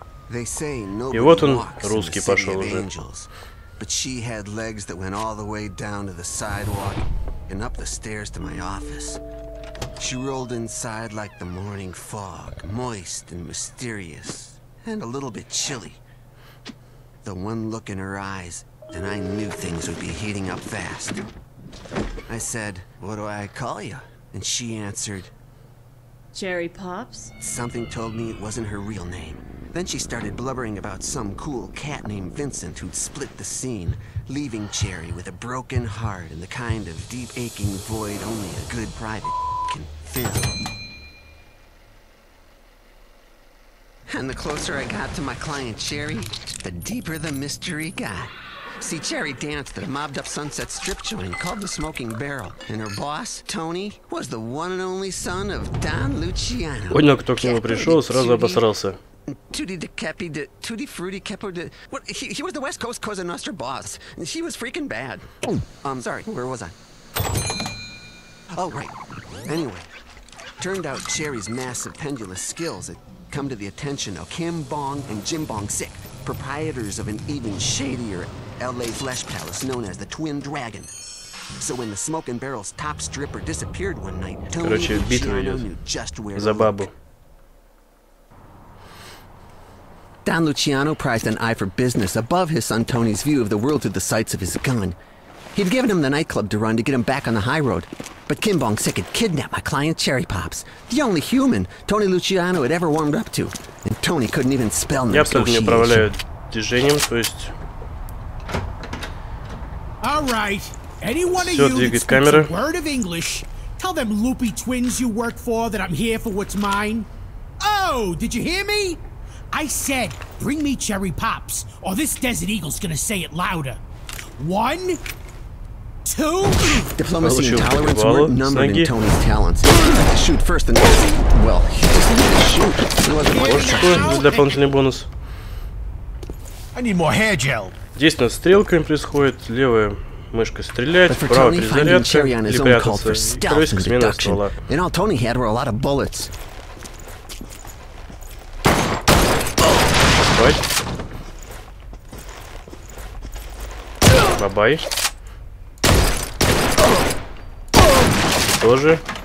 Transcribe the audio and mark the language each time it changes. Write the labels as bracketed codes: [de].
[ru] И вот он, русский, пошел уже. [en] But she had legs that went all the way down to the sidewalk and up the stairs to my office. She rolled inside like the morning fog, moist and mysterious, and a little bit chilly. The one look in her eyes, and I knew things would be heating up fast. I said, "What do I call you?" And she answered, "Cherry Pops." Something told me it wasn't her real name. Then she started blubbering about some cool cat named Vincent who'd split the scene, leaving Cherry with a broken heart and the kind of deep aching void only a good private can fill. And the closer I got to my client Cherry, the deeper the mystery got. See, Cherry danced at a mobbed-up Sunset Strip joint called the Smoking Barrel, and her boss, Tony, was the one and only son of Don Luciano. [ru] Ой, ну, кто к нему пришел, сразу обосрался. [en] Tutti de Capi de Tutti Frutti Capo de What he was the West Coast Cosa Nostra boss. And she was freaking bad. Sorry, where was I? Oh right. Anyway. Turned out Cherry's massive pendulous skills had come to the attention of Kim Bong and Jim Bong Sik, proprietors of an even shadier LA flesh palace known as the Twin Dragon. So when the Smoke and Barrel's top stripper disappeared one night, Tony Luciano knew just where to look. Don Luciano prized an eye for business above his son Tony's view of the world through the sights of his gun. He'd given him the nightclub to run to get him back on the high road. But Kim Bong Sik had kidnapped my client Cherry Pops, the only human Tony Luciano had ever warmed up to. And Tony couldn't even spell [ru] Я абсолютно не управляю движением, то есть... [en] All right. Anyone of you that speaks [ru] камера. [en] A word of English, tell them loopy twins you work for that I'm here for what's mine. Oh, did you hear me? I said, bring me Cherry Pops, or this Desert Eagle's gonna say it louder. One, two... Diplomacy and tolerance weren't numbered in Tony's talents. He had to shoot first and... Well, he just needed to shoot. He wasn't going to shoot. I need more hair gel. [ru] Здесь у нас стрелка происходит, левая мышка стреляет, правая перезарядка, или прятаться, и крысик смена ствола. [en] And all Tony had were a lot of bullets. [ru] Бабай. Тоже.